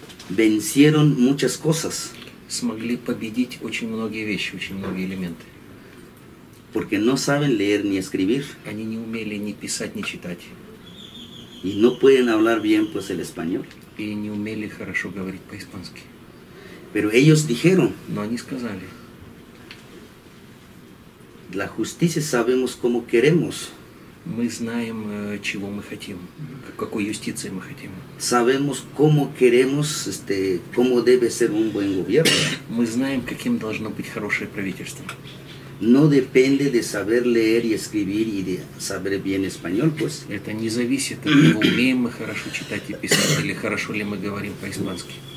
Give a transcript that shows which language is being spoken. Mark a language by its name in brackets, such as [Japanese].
[Spanish] Vencieron muchas cosas. [Russian] Смогли победить очень многие вещи, очень многие элементы. [Spanish] Porque no saben leer ни escribir. [Russian] Они не умели ни писать, ни читать. [Spanish] Y no pueden hablar bien pues el español. [Russian] И не умели хорошо говорить по-испански. [Spanish] Pero ellos dijeron. [Russian] Но они сказали. [Spanish] La justicia sabemos cómo queremos. [Russian] Мы знаем, чего мы хотим, какой юстиции мы хотим. [Spanish] Sabemos cómo queremos, cómo debe ser un buen gobierno. [Russian] Мы знаем, каким должно быть хорошее правительство. [Spanish] No depende de saber leer y escribir y de saber bien español, pues. [Russian] Это не зависит от того, умеем мы хорошо читать и писать, или хорошо ли мы говорим по-испански.